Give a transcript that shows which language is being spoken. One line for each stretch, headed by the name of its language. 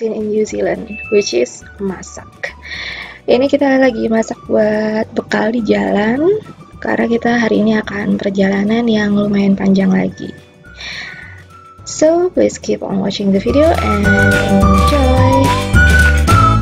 English: New Zealand, which is masak.
Indonesian: Ini kita lagi masak buat bekal di jalan, karena kita hari ini akan perjalanan yang lumayan panjang lagi.
English: So, please keep on watching the video and enjoy!